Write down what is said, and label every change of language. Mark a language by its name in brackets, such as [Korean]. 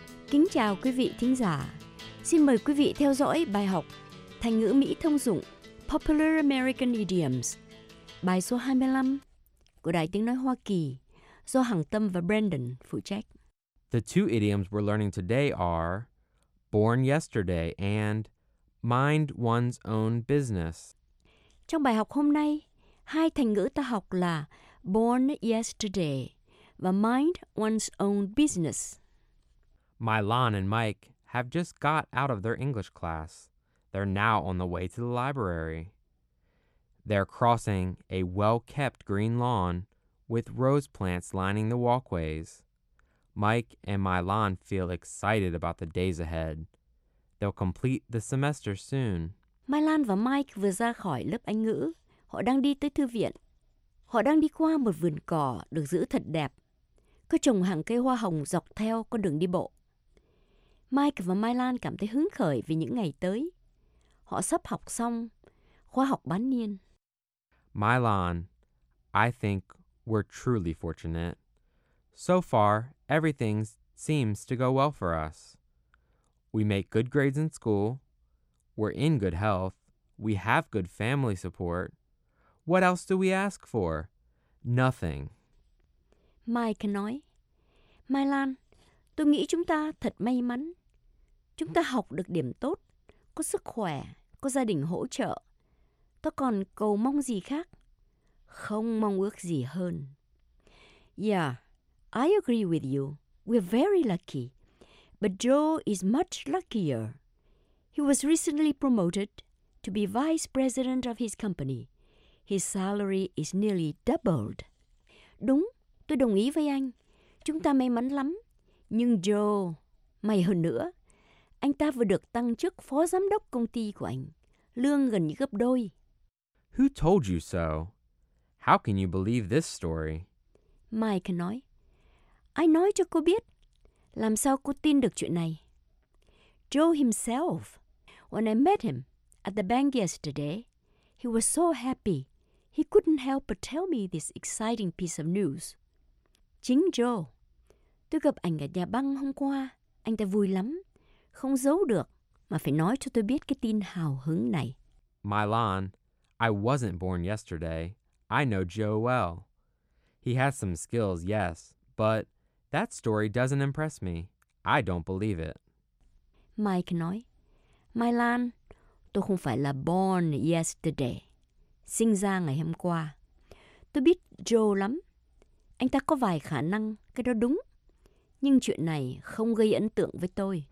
[Vietnamese] Kính chào quý vị thính giả. Xin mời quý vị theo dõi bài học thành ngữ Mỹ thông dụng [English] Popular American Idioms, [Vietnamese] bài số 25 của Đài Tiếng Nói Hoa Kỳ, do Hằng Tâm và Brandon phụ trách. [English] The two idioms we're learning today are born yesterday and mind one's own business. [Vietnamese] Trong bài học hôm nay, hai thành ngữ ta học là [English] born yesterday [Vietnamese] và [English] mind one's own business. Milan and Mike have just got out of their English class. They're now on the way to the library. They're crossing a well-kept green lawn with rose plants lining the walkways. Mike and Milan feel excited about the days ahead. They'll complete the semester soon. [Vietnamese] Milan và Mike vừa ra khỏi lớp Anh ngữ. Họ đang đi tới thư viện. Họ đang đi qua một vườn cỏ được giữ thật đẹp. Có trồng hàng cây hoa hồng dọc theo con đường đi bộ. Mike và Milan cảm thấy hứng khởi vì những ngày tới. Họ sắp học xong khóa học bán niên. [English] Milan, I think we're truly fortunate. So far, everything seems to go well for us. We make good grades in school. We're in good health. We have good family support. What else do we ask for? Nothing. [Vietnamese] Mike nói, Milan, tôi nghĩ chúng ta thật may mắn. Chúng ta học được điểm tốt, có sức khỏe, có gia đình hỗ trợ. Tôi còn cầu mong gì khác? Không mong ước gì hơn. [English] Yeah, I agree with you. We're very lucky. But Joe is much luckier. He was recently promoted to be vice president of his company. His salary is nearly doubled. [Vietnamese] Đúng, tôi đồng ý với anh. Chúng ta may mắn lắm. Nhưng Joe, may hơn nữa, anh ta vừa được tăng chức phó giám đốc công ty của anh, lương gần như gấp đôi. [English] Who told you so? How can you believe this story? [Vietnamese] Mike nói, ai nói cho cô biết? Làm sao cô tin được chuyện này? [English] Joe himself. When I met him at the bank yesterday, he was so happy. He couldn't help but tell me this exciting piece of news. [Vietnamese] Chính Joe. Tôi gặp anh ở nhà băng hôm qua. Anh ta vui lắm. Không giấu được mà phải nói cho tôi biết cái tin hào hứng này. [English] Milan, I wasn't born yesterday. I know Joe well. He has some skills, yes, but that story doesn't impress me. I don't believe it. [Vietnamese] Mike nói, Milan, tôi không phải là [English] born yesterday. [Vietnamese] Sinh ra ngày hôm qua. Tôi biết Joe lắm. Anh ta có vài khả năng, cái đó đúng. Nhưng chuyện này không gây ấn tượng với tôi.